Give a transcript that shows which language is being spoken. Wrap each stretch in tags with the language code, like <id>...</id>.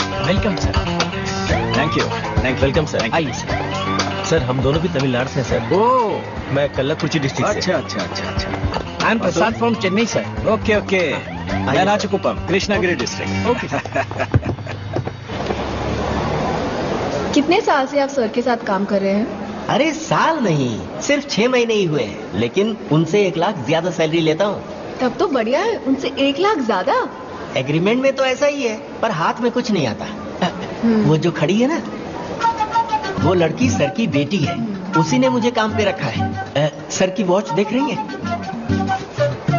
<hi>Welcome sir thank you welcome sir आइए sir sir हम दोनों भी तमिलनाडु से हैं सर ओ मैं कल्लकुर्ची डिस्ट्रिक्ट से अच्छा</hi> <en>I'm Prasad from Chennai, sir. Okay. Yanachukuppam, Krishnagiri district. Okay.</en> <hi>कितने साल से आप सर के साथ काम कर रहे हैं अरे साल नहीं सिर्फ 6 महीने ही हुए हैं लेकिन उनसे 1,00,000 ज्यादा सैलरी लेता हूँ तब तो बढ़िया है उनसे 1,00,000 ज्यादा एग्रीमेंट में तो ऐसा ही है पर हाथ में कुछ नहीं आता वो जो खड़ी है ना वो लड़की सर की बेटी है उसी ने मुझे काम पे रखा है सर की वॉच देख रही है</hi>